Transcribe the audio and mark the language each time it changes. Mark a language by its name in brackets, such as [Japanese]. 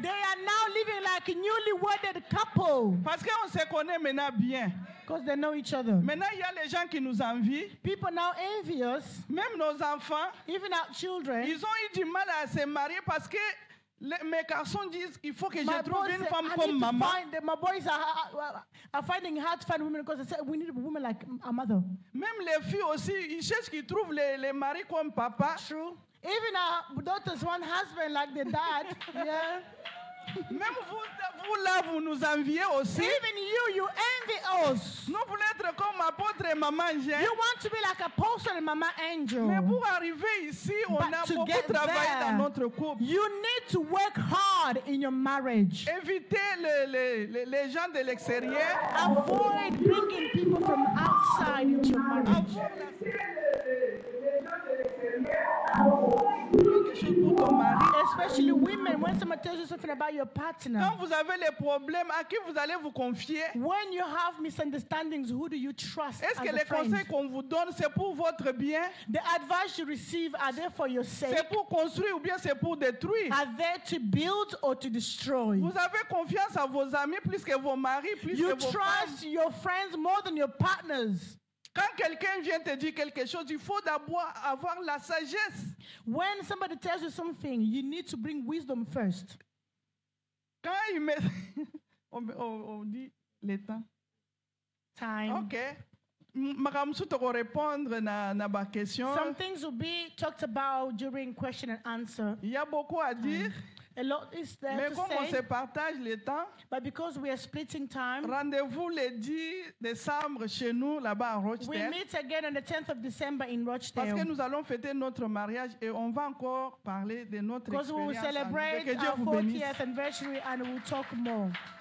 [English] They are now living like a newly wedded couple. [French] Parce qu'on se connaît maintenant bien. [English] Because they know each other. [French] Maintenant, il y a les gens qui nous envient. [English] People now envy us. [French] Même nos enfants. [English] Even our children. [French] Ils ont eu du mal à se marier parce que mes garçons disent qu'il faut que [English] my [French] je trouve une femme comme maman. [English] My boys are finding hard to find women because they say we need a woman like a mother. [French] Même les filles aussi, ils cherchent qu'ils trouvent les maris comme papa. [English] True. Even our daughters want husband like the dad. Yeah. [French] Même vous, vous là, vous nous enviez aussi. [English] Even you, you envy us. [French] Nous voulons être comme apôtre et maman Jean. [English] You want to be like apostle and mama angel. [French] Mais pour arriver ici, [English] but [French] on a beaucoup travaillé [English] there, [French] dans notre couple. [English] You need to work hard in your marriage. [French] Évitez les gens de l'extérieur. [English] Avoid bringing people from outside into your marriage. Especially women, when someone tells you something about your partner. [French] Quand vous avez les problèmes, à qui vous allez vous confier? [English] When you have misunderstandings, who do you trust? [French] Est-ce que les conseils qu'on vous donne, c'est pour votre bien? [English] The advice you receive, are they for your sake? [French] C'est pour construire ou bien c'est pour détruire? [English] Are they to build or to destroy? [French] Vous avez confiance à vos amis plus que vos maris, plus [English] you [French] que vos femmes? [English] You trust your friends more than your partners. [French] Quand quelqu'un vient te dire quelque chose, il faut d'abord avoir la sagesse. [English] When somebody tells you something, you need to bring wisdom first. [French] Quand il met... on dit le temps. [English] Time. [French] OK. Maramsu, tu vas répondre à ma question. [English] Some things will be talked about during question and answer. [French] Il y a beaucoup à dire. [English] A lot is there [French] mais [English] to [French] comme [English] say, [French] on se partage le temps, [English] but because we are splitting time, [French] rendez-vous le 10 décembre chez nous là-bas à Rochdale. [English] We meet again on the 10th of December in Rochdale. [French] Parce que nous allons fêter notre mariage et on va encore parler de notre expérience. [English] Because we will celebrate our 40th anniversary and we will talk more.